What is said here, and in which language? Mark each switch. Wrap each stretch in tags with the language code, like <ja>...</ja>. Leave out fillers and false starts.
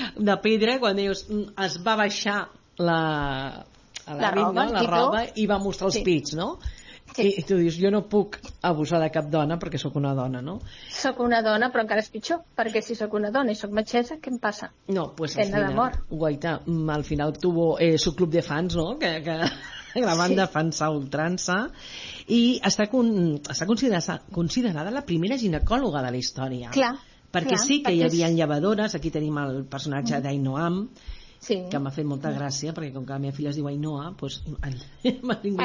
<ca>de pedra quan dius es va baixar la roba, la roba i va mostrar els pits, no? Sí. I tu dius, jo no puc abusar de cap dona perquè sóc una dona, no? Sóc una dona, però encara és pitjor, perquè si sóc una dona i sóc metgessa, què em passa?</ca> <es>No, pues al final, guaita, al final tuvo su club de fans, no?</es> <ca>Que la van defensar ultrança. I està considerada la primera ginecòloga de la història. Clar. Perquè clar, sí que hi havia llevadores, aquí tenim el personatge d'Ainhoam, sí, que m'ha fet molta gràcia, perquè com que la meva filla es diu Ainhoa, doncs m'ha vingut</ca>